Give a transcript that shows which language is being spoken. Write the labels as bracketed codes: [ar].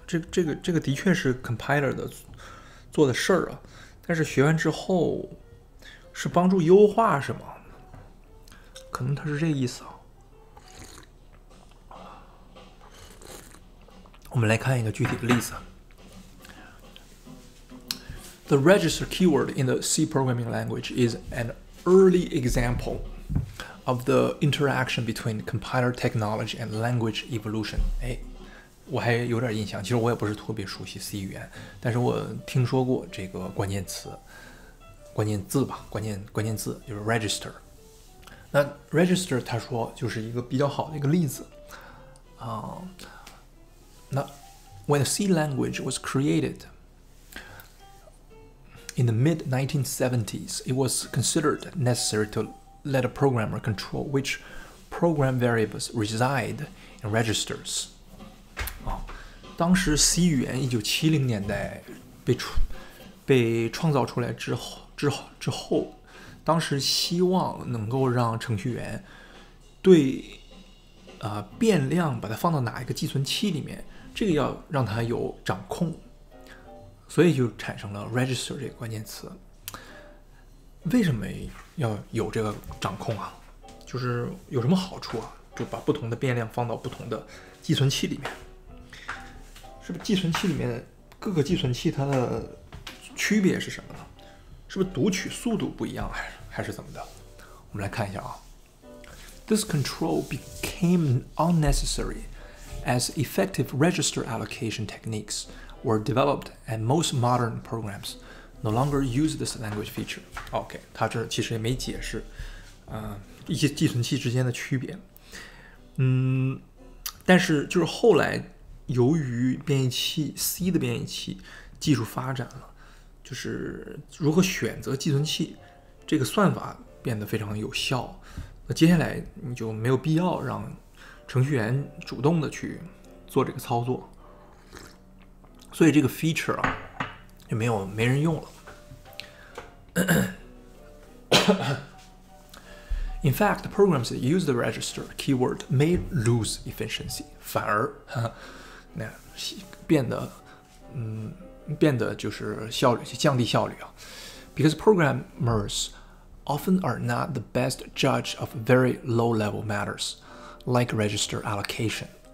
[zh] 这个的确是 compiler 的做的事儿啊，但是学完之后是帮助优化是吗？可能他是这个意思我们来看一个具体的例子。 [en] The register keyword in the C programming language is an early example of the interaction between compiler technology and language evolution. [zh] 哎，我还有点印象，其实我也不是特别熟悉 C 语言，但是我听说过这个关键词、关键字吧，关键字就是 register。那 register 它说就是一个比较好的一个例子那 [en] when the C language was created。 In the mid-1970s, it was considered necessary to let a programmer control which program variables reside in registers. [zh] 当时 C 语言1970年代被创造出来之后，当时希望能够让程序员对变量把它放到哪一个计算器里面，这个要让它有掌控。所以就产生了 register 这个关键词。为什么要有这个掌控啊，就是有什么好处啊，就把不同的变量放到不同的寄存器里面，是不是寄存器里面各个寄存器它的区别是什么呢？是不是读取速度不一样，还是怎么的？我们来看一下啊。 [en] This control became unnecessary as effective register allocation techniques were developed and most modern programs no longer use this language feature. [zh] OK, 它这其实也没解释、一些寄存器之间的区别。但是就是后来由于编译器 C 的编译器技术发展了，就是如何选择寄存器这个算法变得非常有效，那接下来你就没有必要让程序员主动的去做这个操作，所以这个 feature 啊就没人用了。 [en] In fact, the programs that use the register keyword may lose efficiency. [zh] 反而那变得就是效率，降低效率啊。 [en] Because programmers often are not the best judge of very low-level matters, like register allocation.